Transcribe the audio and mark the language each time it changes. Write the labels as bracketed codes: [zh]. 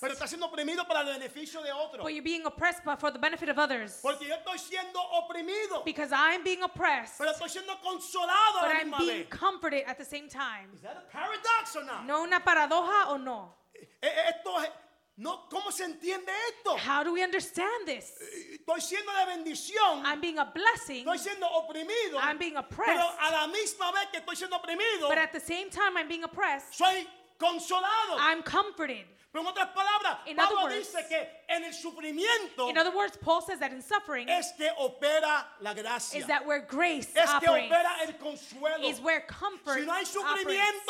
[es] Pero estás siendo oprimido para el beneficio de otros. [en] But you're being oppressed but for the benefit of others. [es] Porque yo estoy siendo oprimido. [en] Because I'm being oppressed. [es] Pero estoy siendo consolado. [en] But I'm being comforted at the same time. Is that a paradox or not? [es] No, una paradoja o no. Esto es. No, ¿cómo se entiende esto? [en] How do we understand this? [es] Estoy siendo de bendición. [en] I'm being a blessing. [es] Estoy siendo oprimido. [en] I'm being oppressed. [es] Pero a la misma vez que estoy siendo oprimido. [en] But at the same time I'm being oppressed. [es] Soy consolado. [en] I'm comforted. [es] Pero en otras palabras, [en] In other words, [es] dice que en el sufrimiento, [en] in other words, Paul says that in suffering [es] es que opera la gracia, [en] is that where grace [es] es que [en] operates, [es] opera el consuelo, [en] is where comfort [es] si no hay sufrimiento,